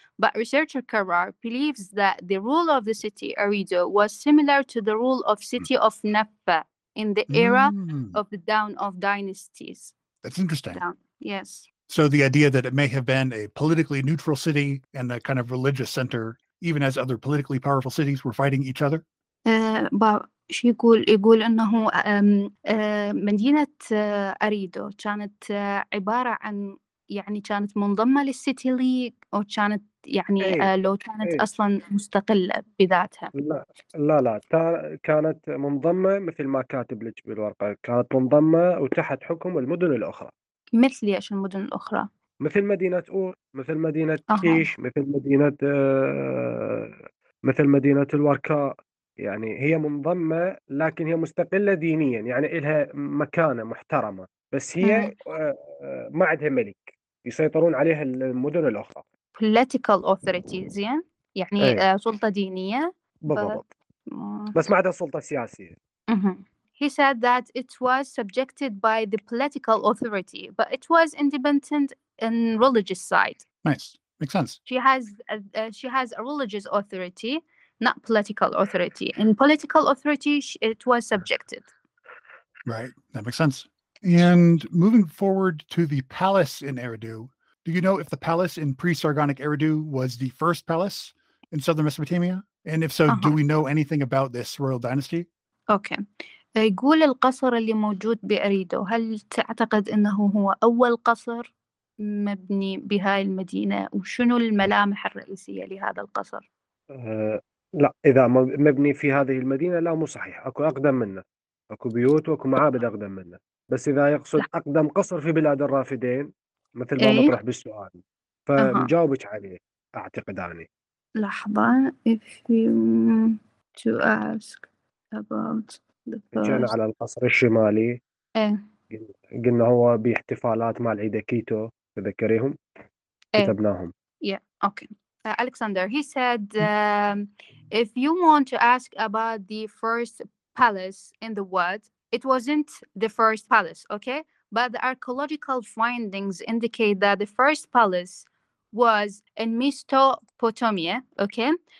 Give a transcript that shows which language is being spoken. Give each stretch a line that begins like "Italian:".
English: But researcher Karrar believes that the rule of the city, Eridu, was similar to the rule of city of Nefa in the era of the Dawn of Dynasties. That's interesting. Down. Yes. So the idea that it may have been a politically neutral city and a kind of religious center even as other politically powerful cities were fighting each other.
Arabic: شي يقول انه مدينه اريدو كانت عباره عن يعني كانت منضمه للسيتي ليج او كانت يعني لو كانت اصلا مستقله بذاتها. لا كانت منضمه مثل ما كاتب لك بالورقه، كانت منضمه وتحت حكم المدن الاخرى. مثل ايش المدن الاخرى؟ مثل مدينه اور، مثل مدينه كيش، مثل مدينه الوركاء. يعني هي منضمة لكن هي مستقلة دينيا، يعني إلها مكانة محترمة، بس هي ما عندها ملك يسيطرون عليها المدن الأخرى.
English: Political authority
Arabic: زين، يعني سلطة دينية بالضبط، بس ما عندها سلطة سياسية.
English: He said that it was subjected by the political authority but it was independent in religious side. Nice, makes sense. She has a religious authority, not political authority. In political authority, it was subjected. Right, that makes sense. And moving forward to the palace in Eridu, do you know if the palace in pre-Sargonic Eridu was the first palace in southern Mesopotamia? And if so, do we know anything about this royal dynasty? Okay.
Arabic: يقول القصر اللي موجود بأريدو، هل تعتقد أنه هو أول قصر مبني بهاي المدينة؟ وشنو الملامح الرئيسية لهذا القصر؟ لا، إذا مبني في هذه المدينة لا مو صحيح، أكو أقدم منه، أكو بيوت وأكو معابد أقدم منه، بس إذا يقصد أقدم قصر في بلاد الرافدين مثل ما مطرح بالسؤال فمجاوبك عليه أعتقد أني. لحظة،
English: if you to ask about the first.
Arabic: جينا على القصر الشمالي. إيه. قلنا هو باحتفالات مع العيد كيتو، تذكريهم؟ إيه. كتبناهم.
English: Yeah, okay. Alexander, he said, if you want to ask about the first palace in the world, it wasn't the first palace, okay? But the archaeological findings indicate that the first palace was in Mesopotamia, okay?